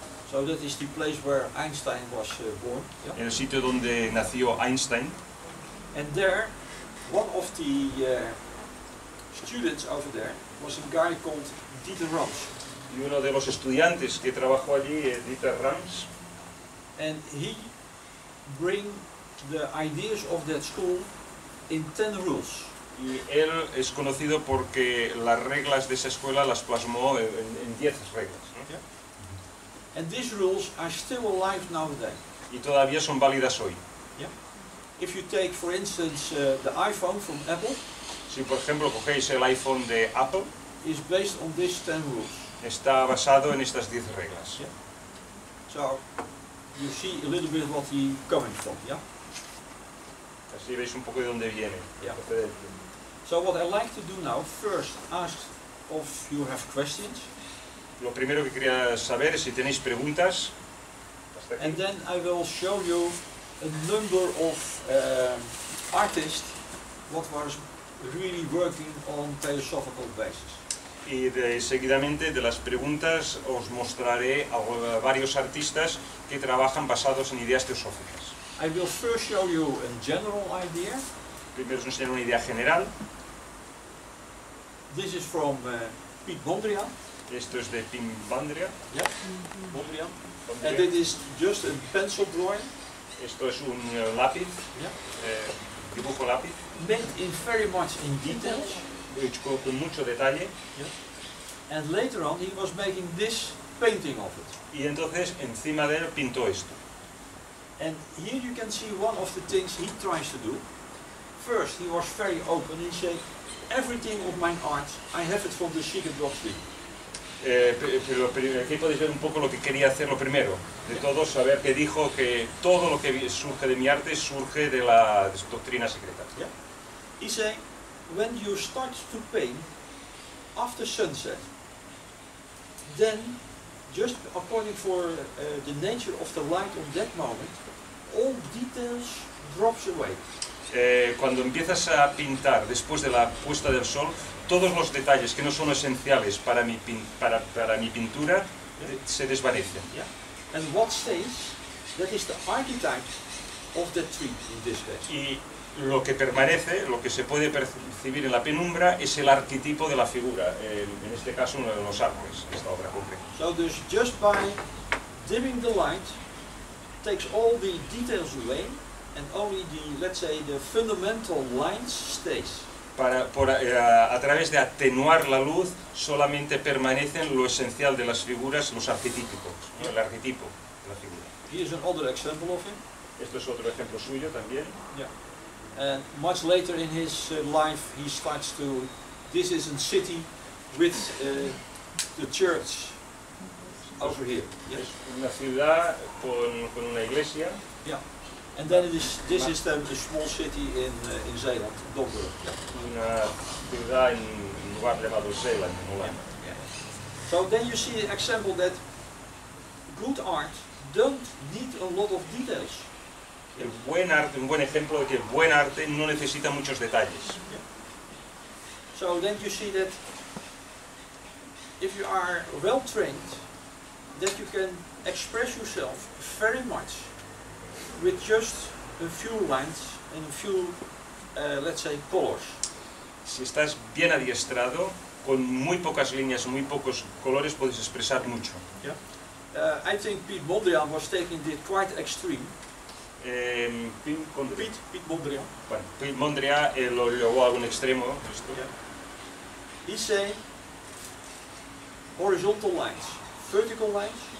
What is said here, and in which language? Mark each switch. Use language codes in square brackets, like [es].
[en] So that is the place where Einstein was born. Yeah. [es] En el sitio donde nació Einstein. [en] And there, one of the students over there was a guy called Dieter Rams. [es] Y uno de los estudiantes que trabajó allí, Dieter Rams. [en] And he bring the ideas of that school in 10 rules. [es] Y él es conocido porque las reglas de esa escuela las plasmó en 10 reglas. [en] Yeah. And these rules are still alive nowadays. [es] Y todavía son válidas hoy. [en] Yeah. If you take, for instance, the iPhone from Apple. [es] Si por ejemplo cogéis el iPhone de Apple. [en] Is based on these 10 rules. [es] Está basado en estas 10 reglas. [en] Yeah. So, you see a little bit what he coming from, yeah? [es] Así veis un poco de dónde viene. [en] So what I like to do now, first ask if you have questions. [es] Lo primero que quería saber es si tenéis preguntas. [en] And then I will show you a number of artists what was really working on theosophical basis. [es] Y de seguidamente de las preguntas os mostraré a varios artistas que trabajan basados en ideas teosóficas. [en] I will first show you a general idea. [es] Primero os enseñaré una idea general. [en] This is from Piet Mondrian. [es] Esto es de Piet Mondrian. [en] Yeah. Mondrian. And it is just a pencil drawing. [es] Esto es un lápiz. [en] Yeah. [es] Dibujo lápiz. [en] Made in very much in details. [es] Hecho con mucho detalle. [en] Yeah. And later on he was making this painting of it. [es] Y entonces encima de él pintó esto. [en] And here you can see one of the things he tries to do. First, he was very open and said, "Everything of my art, I have it from the Sheikh Drosti." [es] Pero aquí podéis ver un poco lo que quería hacer lo primero. De todo, saber que dijo que todo lo que surge de mi arte surge de la doctrina secreta. [en] He said, "When you start to paint after sunset, then just according for the nature of the light on that moment, all details drops away." [es] Cuando empiezas a pintar después de la puesta del sol, todos los detalles que no son esenciales para mi pintura se desvanecen. [en] Yeah. And what stays? That is the archetype of the tree in this case. [es] Y lo que permanece, lo que se puede percibir en la penumbra, es el arquetipo de la figura, en este caso uno de los árboles, esta obra concreta. [en] So there's just by dimming the light, takes all the details away, and only the, let's say, the fundamental lines stays. [es] A través de atenuar la luz, solamente permanecen lo esencial de las figuras, los arquetípicos, el arquetipo de la figura. [en] Here's another example of him. [es] Esto es otro ejemplo suyo también. [en] Yeah. And much later in his life, he starts to, this is a city with the church over here. Yes. [es] Una ciudad con una iglesia. [en] Yeah. And then this is the small city in Zeeland, Domburg. [es] Una ciudad en un lugar llamado Zeeland, en Holanda. [en] So then you see an example that good art don't need a lot of details. [es] el buen arte, un buen ejemplo de que el buen arte no necesita muchos detalles. [en] So then you see that if you are well trained, that you can express yourself very much with just a few lines and a few, let's say, colors. [es] Si estás bien adiestrado, con muy pocas líneas, muy pocos colores, puedes expresar mucho. [en] Yeah. I think Piet Mondrian was taking this quite extreme. Piet Mondrian. [es] Bueno, Piet Mondrian lo llevó a un extremo. Esto. [en] Yeah. He said horizontal lines, vertical lines.